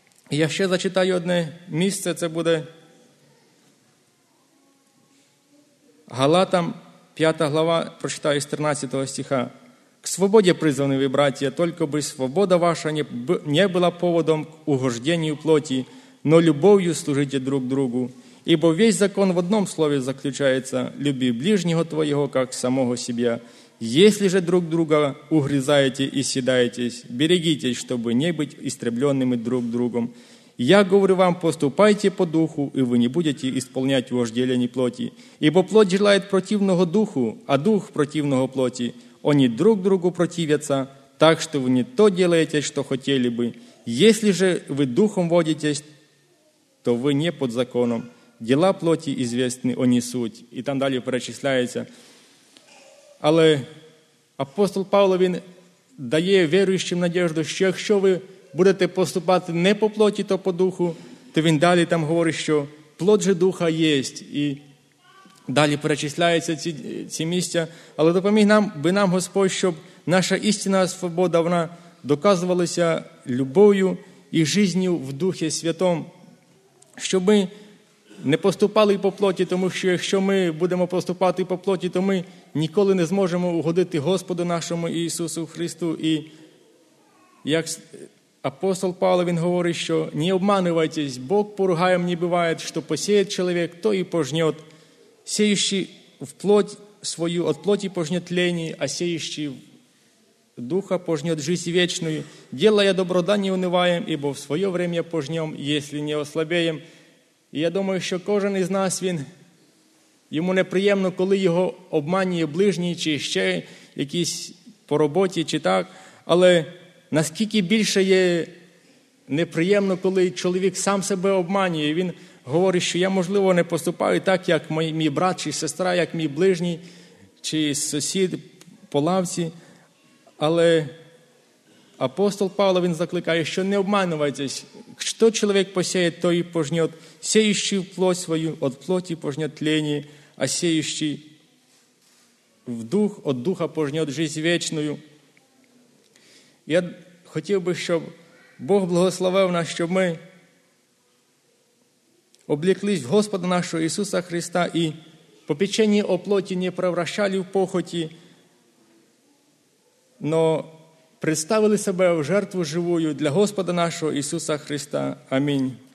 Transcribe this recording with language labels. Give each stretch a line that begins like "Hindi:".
Ukrainian: Я ще зачитаю одне місце, це буде Галатам, 5 глава, прочитаю з 13 стиха.
Russian: «К свободі призваны ви, братія, только би свобода ваша не була поводом к угождению плоті, но любов'ю служите друг другу, ібо весь закон в одном слові заключається – люби ближнього твоєго, как самого себя». Если же друг друга угрызаете и съедаетесь, берегитесь, чтобы не быть истребленными друг другом. Я говорю вам, поступайте по духу, и вы не будете исполнять вожделение плоти. Ибо плоть желает противного духу, а дух противного плоти. Они друг другу противятся, так что вы не то делаете, что хотели бы. Если же вы духом водитесь, то вы не под законом. Дела плоти известны, они суть».
Ukrainian: И там далі перечисляється. Але апостол Павло, він дає віруючим надежду, що якщо ви будете поступати не по плоті, то по духу, то він далі там говорить, що плод же духа єсть. І далі перечисляються ці місця. Але допоміг нам, би нам Господь, щоб наша істинна свобода, вона доказувалася любов'ю і життям в Духі Святом. Щоб ми не поступали по плоті, тому що якщо ми будемо поступати по плоті, то ми ніколи не зможемо угодити Господу нашому Ісусу Христу. І як апостол Павло, він говорить, що
Russian: «Не обманывайтесь,
Ukrainian: Бог поругаєм не буває, що посіять чоловік, то і пожнет.
Russian: Сеющий в плоть свою, от плоті пожнет лені, а сеющий в духа пожнет жизнь вечную. Делая добро, да не унываем, ибо в свое время пожнем, если не ослабеем».
Ukrainian: І я думаю, що кожен із нас, він, йому неприємно, коли його обманює ближній, чи ще якісь по роботі, чи так. Але наскільки більше є неприємно, коли чоловік сам себе обманює. Він говорить, що я, можливо, не поступаю так, як мій брат чи сестра, як мій ближній, чи сусід по лавці. Але апостол Павло, він закликає, що
Russian: не обманывайтесь.
Ukrainian: Що чоловік посіє, то і пожнет.
Russian: Сеющий в плоть свою, от плоті пожнет лені, а сеющий в дух, от духа пожнет жизнь вечную.
Ukrainian: Я хотів би, щоб Бог благословив нас, щоб ми облеклись в Господа нашого Ісуса Христа і попечені о плоті не превращали в похоті, но представили себе в жертву живую для Господа нашого Ісуса Христа. Амінь.